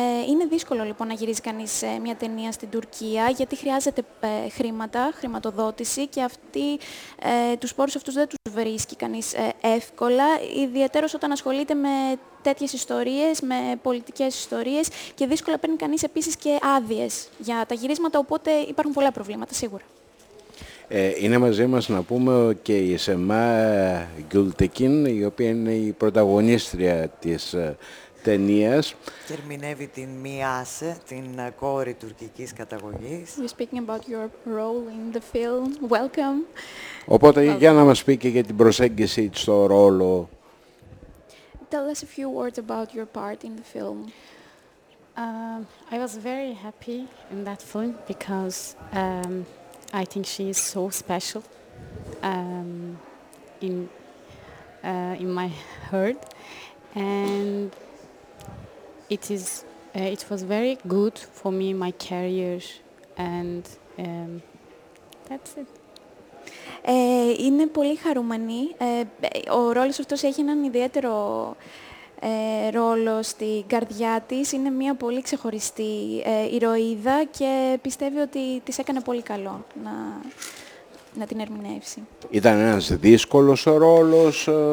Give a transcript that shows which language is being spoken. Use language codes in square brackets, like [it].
[el] Είναι δύσκολο λοιπόν να γυρίζει κανείς μια ταινία στην Τουρκία, γιατί χρειάζεται χρήματα, χρηματοδότηση, και τους πόρους αυτούς δεν τους βρίσκει κανείς εύκολα, ιδιαίτερως όταν ασχολείται με τέτοιες ιστορίες, με πολιτικές ιστορίες, και δύσκολα παίρνει κανείς επίσης και άδειες για τα γυρίσματα, οπότε υπάρχουν πολλά προβλήματα σίγουρα. Είναι μαζί μας, να πούμε, και η Σεμά Γκουλτεκίν, η οποία είναι η πρωταγωνίστρια της ταινίας. Και ερμηνεύει την Μιάσε, την κόρη τουρκικής καταγωγής. [en] You're speaking about your role in the film. Welcome. [el] Οπότε, [en] Welcome. [el] Για να μας πει και για την προσέγγιση στο ρόλο. [en] Tell us a few words about your part in the film. I was very happy in that film because I think she is so special in my heart, and it was very good for me, my career, and that's it. [el] Είναι πολύ χαρούμενη. Ο ρόλος αυτός έχει έναν ιδιαίτερο ρόλο στην καρδιά της. Είναι μια πολύ ξεχωριστή ηρωίδα και πιστεύει ότι της έκανε πολύ καλό να την ερμηνεύσει. Ήταν ένας δύσκολος ρόλος.